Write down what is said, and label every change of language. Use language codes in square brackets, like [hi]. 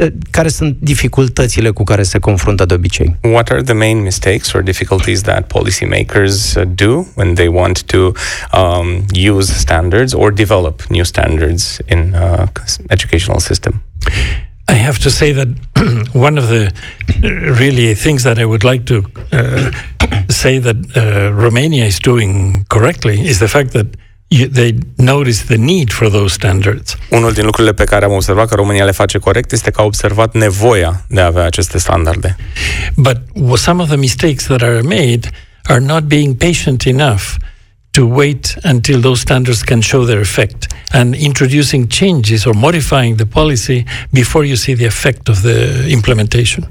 [ro] Care sunt dificultățile cu care se confruntă de obicei? [en] What are the main mistakes or difficulties that policymakers do when they want to use standards or develop new standards in educational system? I have to say that one of the really things that I would like to say that Romania is doing correctly is the fact that they notice the need for those standards. [ro] Unul din lucrurile pe care am observat că România le face corect este că a observat nevoia de a avea aceste standarde. [en] But some of the mistakes that are made are not being patient enough to wait until those standards can show their effect and introducing changes or modifying the policy before you see the effect of the implementation.